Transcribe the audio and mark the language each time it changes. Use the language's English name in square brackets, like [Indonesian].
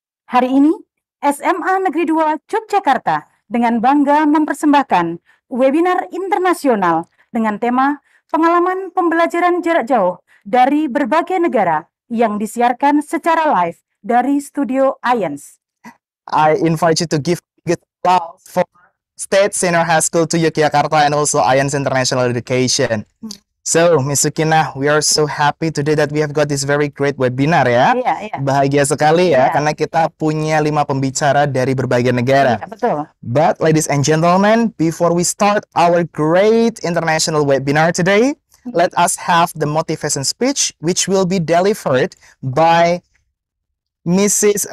[Indonesian] Hari ini SMA Negeri 2 Yogyakarta dengan bangga mempersembahkan webinar internasional dengan tema pengalaman pembelajaran jarak jauh dari berbagai negara yang disiarkan secara live dari studio IANS. [English] I invite you to give good applause for State Senior High School to Yogyakarta and also IANS International Education. So, Ms. Sukinah, we are so happy today that we have got this very great webinar, ya. [Indonesian] Iya, iya. Bahagia sekali, ya, iya. Karena kita punya 5 pembicara dari berbagai negara. Iya, betul. [English] But, ladies and gentlemen, before we start our great international webinar today, let us have the motivation speech, which will be delivered by Mrs.